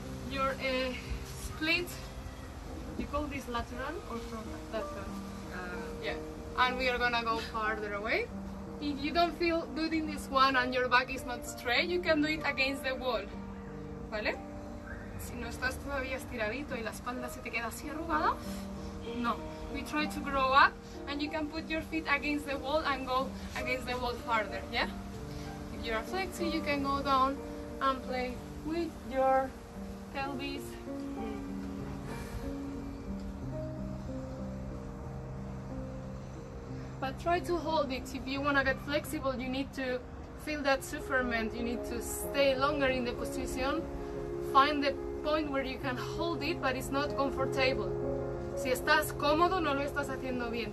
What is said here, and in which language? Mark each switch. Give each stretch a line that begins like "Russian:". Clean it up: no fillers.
English: Your split. You call this lateral or from lateral? Yeah. And we are gonna go farther away. If you don't feel good in this one and your back is not straight, you can do it against the wall.
Spanish: ¿Vale? Si no estás todavía estiradito y la espalda se te queda así arrugada, no.
English: We try to grow up and you can put your feet against the wall and go against the wall farther, yeah? If you're flexing, you can go down and play with your pelvis. But try to hold it. If you want to get flexible, you need to feel that superman. You need to stay longer in the position. Find the point where you can hold it, but it's not comfortable.
Spanish: Si estás cómodo, no lo estás haciendo bien.